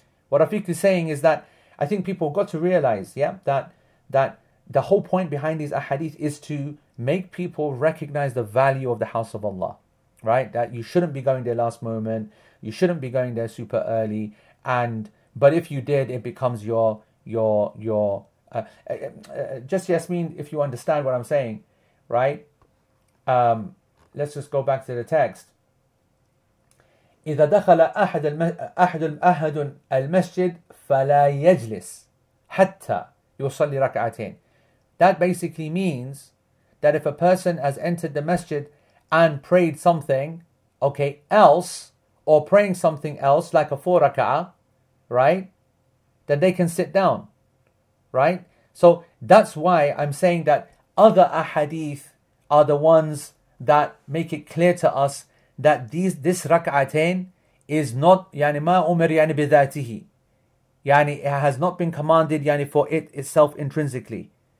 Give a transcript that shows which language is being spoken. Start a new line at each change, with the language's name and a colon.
English: What Rafiq is saying is that I think people got to realize, yeah, that the whole point behind these ahadith is to make people recognize the value of the house of Allah. Right, that you shouldn't be going there last moment, you shouldn't be going there super early, but if you did, it becomes your just Yasmeen, if you understand what I'm saying, right? Let's just go back to the text.
Arabic: إذا دخل أحد أحد المسجد فلا يجلس حتى يصلي ركعتين.
English: That basically means that if a person has entered the masjid and prayed something, okay, else, or praying something else, like a 4 raka'ah, right, then they can sit down, right? So that's why I'm saying that other ahadith are the ones that make it clear to us that this raka'atain is not, yani,
Arabic: ma umir yani bidhatihi,
English: yani, it has not been commanded, yani, for it itself intrinsically.